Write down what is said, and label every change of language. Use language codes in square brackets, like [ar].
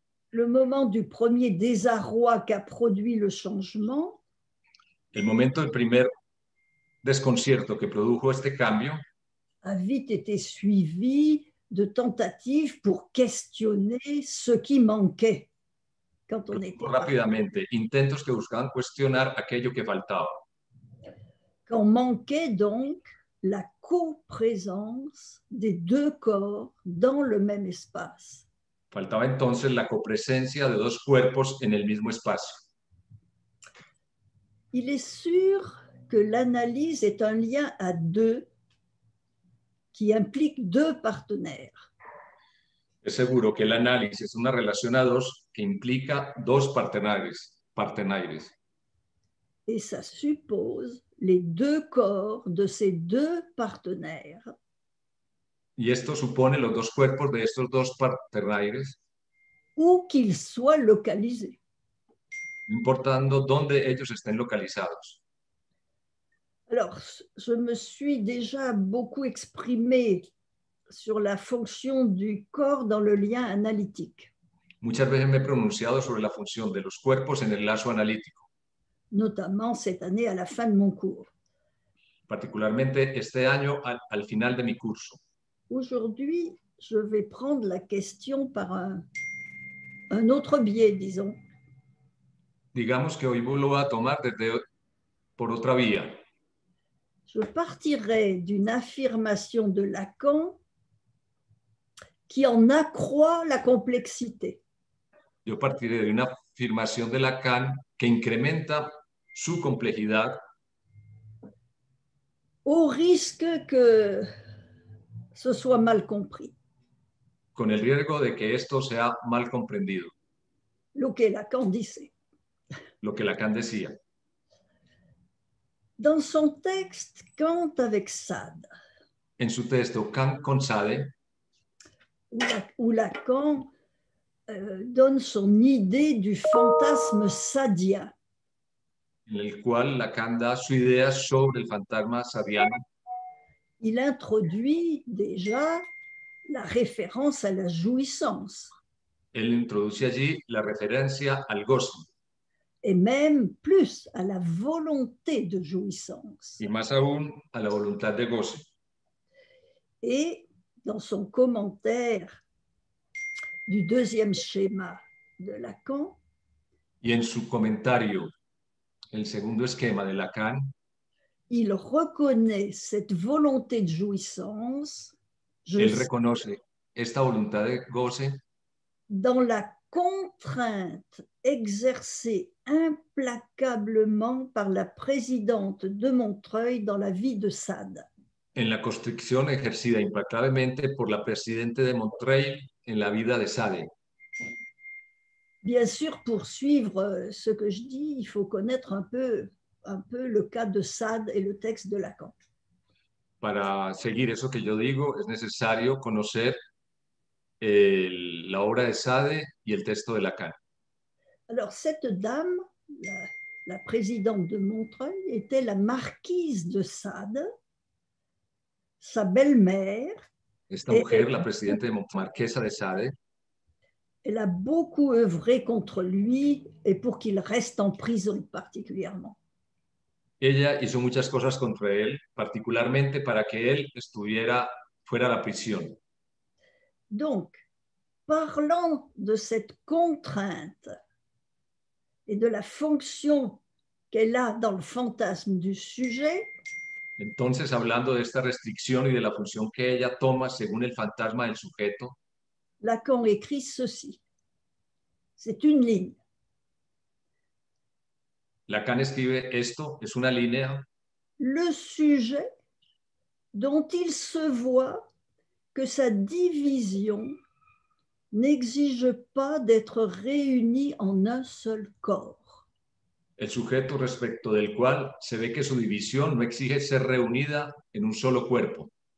[fr] Le moment du premier désarroi qu'a produit le changement. [es] El momento del primer desconcierto que produjo este cambio. [fr] A vite été suivi de tentatives pour questionner ce qui manquait. Quand on était [es] rápidamente, parlé. Intentos que buscaban cuestionar aquello que faltaba. [fr] Quand manquait donc la coprésence des deux corps dans le même espace. [es] Faltaba entonces la copresencia de dos cuerpos en el mismo espacio. [fr] Il est sûr que l'analyse est un lien à deux qui implique deux partenaires. [es] Es seguro que l'analyse es una relación a dos que implica dos partenaires. [fr] Et ça suppose les deux corps de ces deux partenaires. [es] Y esto supone los dos cuerpos de estos dos partenaires. [fr] Où qu'ils soient localisés. [es] Importando dónde ellos estén localizados. [fr] Alors, je me suis déjà beaucoup exprimée sur la fonction du corps dans le lien analytique. [es] Muchas veces me he pronunciado sobre la función de los cuerpos en el lazo analítico. [fr] Notamment cette année à la fin de mon cours. [es] Particularmente este año al final de mi curso. [fr] Aujourd'hui, je vais prendre la question par un autre biais, disons. [es] Digamos que hoy lo voy a tomar desde por otra vía. [fr] Je partirai d'une affirmation de Lacan qui en accroît la complexité. [es] Yo partiré de una afirmación de Lacan que incrementa su complejidad. [fr] Au risque que ce soit mal compris. [es] Con el riesgo de que esto sea mal comprendido. Lo que Lacan dice. Lo que Lacan decía. [fr] Dans son texte Kant avec Sade. [es] En su texto Kant con Sade. [fr] Où Lacan donne son idée du fantasme sadien. [es] En el cual Lacan da su idea sobre el fantasma sadiano. [fr] Il introduit déjà la référence à la jouissance. [es] Él introduce allí la referencia al gozo. [fr] Et même plus à la volonté de jouissance. [es] Y más aún a la voluntad de gozo. [fr] Et dans son commentaire du deuxième schéma de Lacan. [es] Y en su comentario, el segundo esquema de Lacan. [fr] Il reconnaît cette volonté de jouissance. [es] Él reconoce esta voluntad de goce [fr] dans la contrainte exercée implacablement par la présidente de Montreuil dans la vie de Sade. [es] En la constricción ejercida implacablemente por la presidente de Montreuil en la vida de Sade. [fr] Bien sûr, pour suivre ce que je dis, il faut connaître un peu le cas de Sade et le texte de Lacan. [es] Para seguir eso que yo digo, es necesario conocer la obra de Sade y el texto de Lacan. [fr] Alors, cette dame, la présidente de Montreuil, était la marquise de Sade, sa belle-mère. [es] Esta mujer, la presidente de Montreuil, marquesa de Sade, [fr] elle a beaucoup œuvré contre lui et pour qu'il reste en prison particulièrement. [es] Ella hizo muchas cosas contra él, particularmente para que él estuviera fuera de la prisión. [fr] Donc, parlant de cette contrainte et de la fonction qu'elle a dans le fantasme du sujet. [es] Entonces, hablando de esta restricción y de la función que ella toma según el fantasma del sujeto, [fr] Lacan écrit ceci. C'est une ligne. [es] Lacan escribe esto, es una línea. [fr] Le sujet dont il se voit que sa division n'exige pas d'être réuni en un seul corps. [es] El sujeto respecto del cual se ve que su división no exige ser reunida en un solo cuerpo.